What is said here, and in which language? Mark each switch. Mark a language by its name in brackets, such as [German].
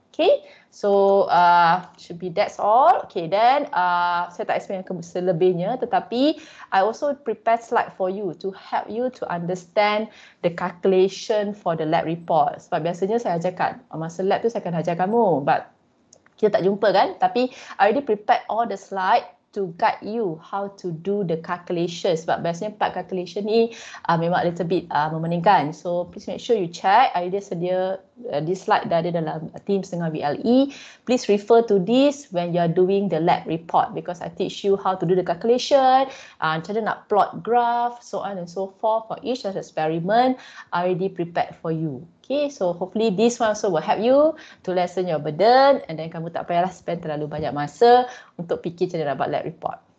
[English] Okay, so should be that's all. Okay, then [Malay] saya tak [English] explain [Malay] selebihnya, tetapi [English] I also prepare slide for you to help you to understand the calculation for the lab report. [Malay] Sebab biasanya saya ajarkan, masa lab tu saya akan ajar kamu, but kita tak jumpa kan, tapi [English] I already prepared all the slide to guide you how to do the calculations. But [Malay] biasanya [English] part calculation [Malay] ni memang [English] a little bit [Malay] memeningkan. [English] So please make sure you check. [Malay] I dia sedia [English] this slide [Malay] dah ada dalam Teams dengan VLE. [English] Please refer to this when you are doing the lab report, because I teach you how to do the calculation, [Malay] macam mana nak [English] plot graph, so on and so forth for each experiment. I already prepared for you. Okay, so hopefully this one also will help you to lessen your burden, and then [Malay] kamu tak payahlah [English] spend [Malay] terlalu banyak masa untuk fikir macam mana buat [English] lab report.